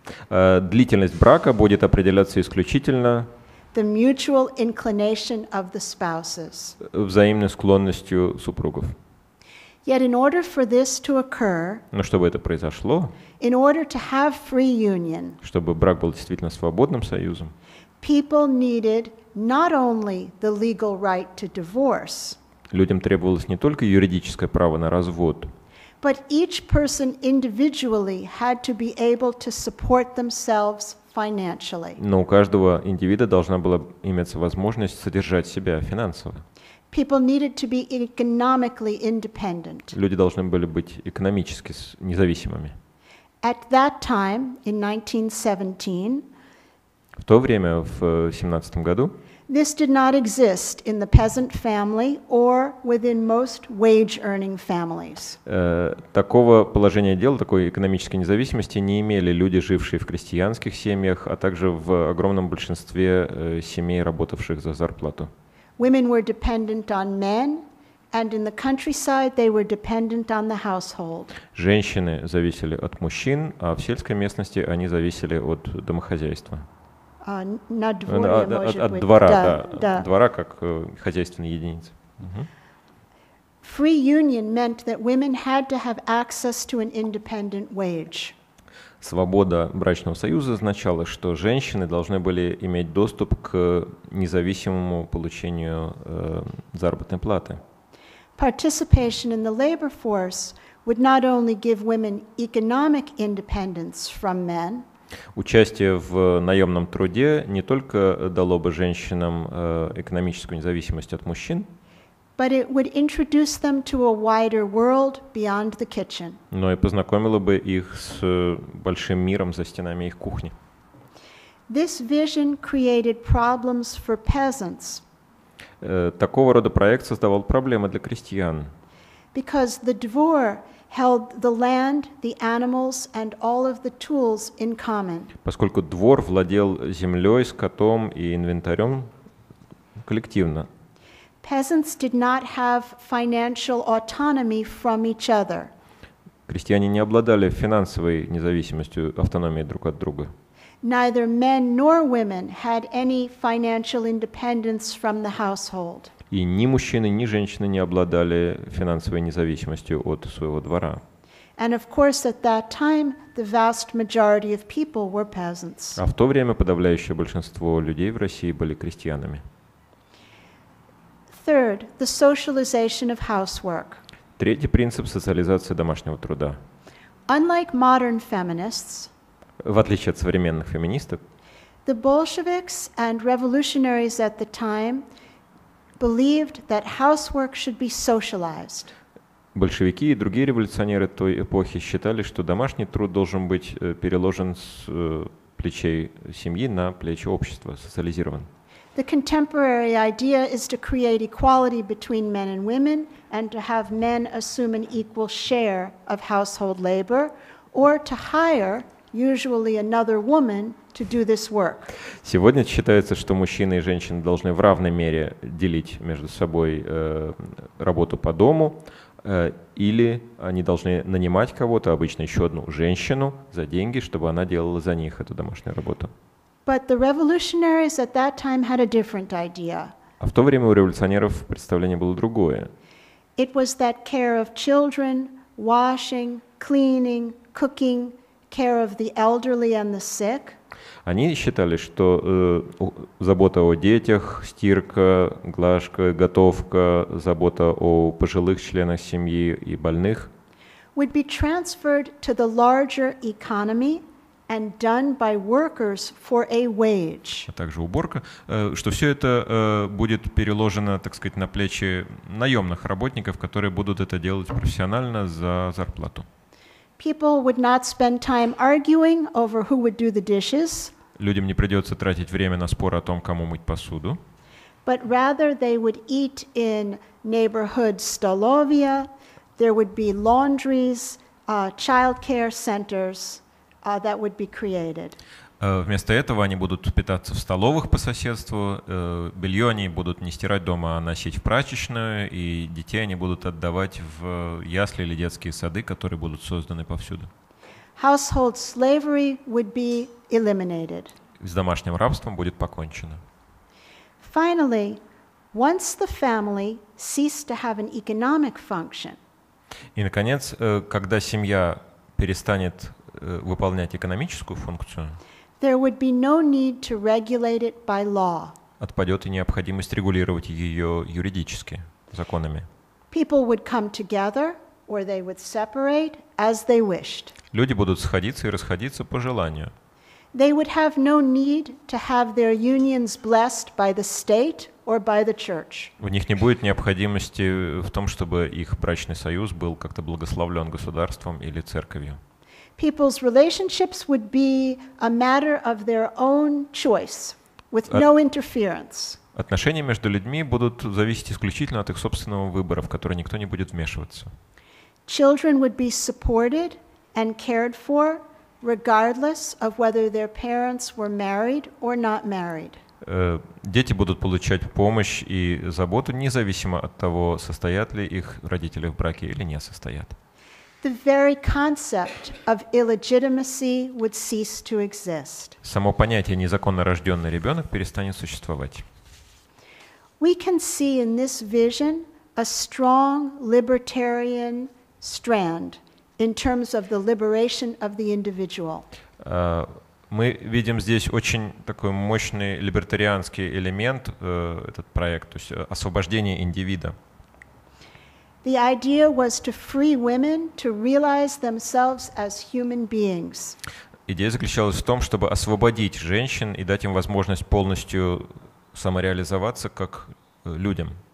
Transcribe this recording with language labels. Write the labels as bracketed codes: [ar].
[ru] Длительность брака будет определяться исключительно [en] the mutual inclination of the spouses. [ru] Взаимной склонностью супругов. [en] Yet in order for this to occur, [ru] но чтобы это произошло, [en] in order to have free union, [ru] чтобы брак был действительно свободным союзом, [en] people needed not only the legal right to divorce, [ru] людям требовалось не только юридическое право на развод, [en] but each person individually had to be able to support themselves financially. [ru] Но у каждого индивида должна была иметься возможность содержать себя финансово. [en] People needed to be economically independent. [ru] Люди должны были быть экономически независимыми. [en] At that time, in 1917, [ru] в то время, в 17 году, [en] this did not exist in the peasant family or within most wage-earning families. [ru] Такого положения дел, такой экономической независимости не имели люди, жившие в крестьянских семьях, а также в огромном большинстве семей, работавших за зарплату. [en] Women were dependent on men, and in the countryside they were dependent on the household. [ru] Женщины зависели от мужчин, а в сельской местности они зависели от домохозяйства. От двора, да. Двора как хозяйственной единицы. [en] Free union meant that women had to have access to an independent wage. [ru] Свобода брачного союза означала, что женщины должны были иметь доступ к независимому получению заработной платы. [en] Participation in the labor force would not only give women economic independence from men. [ru] Участие в наемном труде не только дало бы женщинам экономическую независимость от мужчин, [en] but it would introduce them to a wider world beyond the kitchen. [ru] Но и познакомило бы их с большим миром за стенами их кухни. [en] This vision created problems for peasants. [ru] Такого рода проект создавал проблемы для крестьян. [en] Because the dvor held the land, the animals, and all of the tools in common. [ru] Поскольку двор владел землей, скотом и инвентарем коллективно. [en] Peasants did not have financial autonomy from each other. [ru] Крестьяне не обладали финансовой независимостью, автономией друг от друга. [en] Neither men nor women had any financial independence from the household. [ru] И ни мужчины, ни женщины не обладали финансовой независимостью от своего двора. [en] And of course, at that time, the vast majority of people were peasants. [ru] А в то время подавляющее большинство людей в России были крестьянами. [en] Third, the socialization of housework. [ru] Третий принцип – социализация домашнего труда. [en] Unlike modern feminists, [ru] в отличие от современных феминисток, [en] the Bolsheviks and revolutionaries at the time believed that housework should be socialized. [ru] Большевики и другие революционеры той эпохи считали, что домашний труд должен быть переложен с плечей семьи на плечи общества, социализирован. [en] The contemporary idea is to create equality between men and women and to have men assume an equal share of household labor or to hire usually another woman to do this work. [ru] Сегодня считается, что мужчины и женщины должны в равной мере делить между собой работу по дому, или они должны нанимать кого-то, обычно еще одну женщину, за деньги, чтобы она делала за них эту домашнюю работу. [en] But the revolutionaries at that time had a different idea. [ru] А в то время у революционеров представление было другое. [en] It was that care of children, washing, cleaning, cooking, care of the elderly and the sick. [ru] Они считали, что забота о детях, стирка, глажка, готовка, забота о пожилых членах семьи и больных [en] would be transferred to the larger economy and done by workers for a wage. [ru] А также уборка, что все это будет переложено, так сказать, на плечи наемных работников, которые будут это делать профессионально за зарплату. [en] People would not spend time arguing over who would do the dishes. [ru] Людям не придется тратить время на споры о том, кому мыть посуду. [en] But rather they would eat in neighborhood столовья. There would be laundries, childcare centers that would be created. [ru] Вместо этого они будут питаться в столовых по соседству, белье они будут не стирать дома, а носить в прачечную, и детей они будут отдавать в ясли или детские сады, которые будут созданы повсюду. [en] Household slavery would be eliminated. [ru] С домашним рабством будет покончено. [en] Finally, once the family ceased to have an economic function. [ru] И, наконец, когда семья перестанет выполнять экономическую функцию, [en] there would be no need to regulate it by law. [ru] Отпадет и необходимость регулировать ее юридически, законами. [en] People would come together, or they would separate as they wished. [ru] Люди будут сходиться и расходиться по желанию. [en] They would have no need to have their unions blessed by the state or by the church. [ru] У них не будет необходимости в том, чтобы их брачный союз был как-то благословлен государством или церковью. [en] People's relationships would be a matter of their own choice, with no interference. [ru] Отношения между людьми будут зависеть исключительно от их собственного выбора, в который никто не будет вмешиваться. [en] Children would be supported and cared for, regardless of whether their parents were married or not married. [ru] Дети будут получать помощь и заботу, независимо от того, состоят ли их родители в браке или не состоят. [en] The very concept of illegitimacy would cease to exist. [ru] Само понятие незаконно рожденный ребенок перестанет существовать. [en] We can see in this vision a strong libertarian strand in terms of the liberation of the individual. [ru] Мы видим здесь очень такой мощный либертарианский элемент, этот проект, то есть освобождение индивида. [en] The idea was to free women to realize themselves as human beings. [ru] Идея заключалась в том, чтобы освободить женщин и дать им возможность полностью самореализоваться как людям.